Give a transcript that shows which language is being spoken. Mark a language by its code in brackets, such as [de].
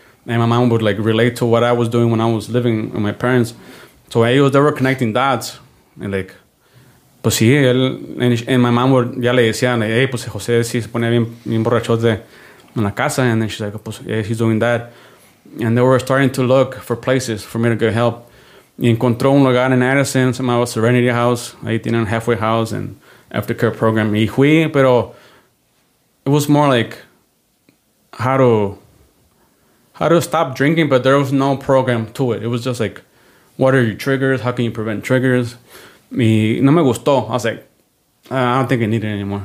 [en] And my mom would, like, relate to what I was doing when I was living with my parents. So they were connecting dots. And, like, [es] pues sí, [en] and my mom would, [es] ya le decía, [en] like, hey, [es] pues José sí se pone bien borrachote en la casa. [en] And then she's like, [es] pues, [en] yeah, he's doing that. And they were starting to look for places for me to get help. [es] Y encontró un lugar en Addison, se llamaba Serenity House. Ahí tienen Halfway House and Aftercare Program. Y fui, pero [en] it was more like how to stop drinking, but there was no program to it. It was just like, what are your triggers? How can you prevent triggers? [es] Y no me gustó. [en] I was like, I don't think I need it anymore.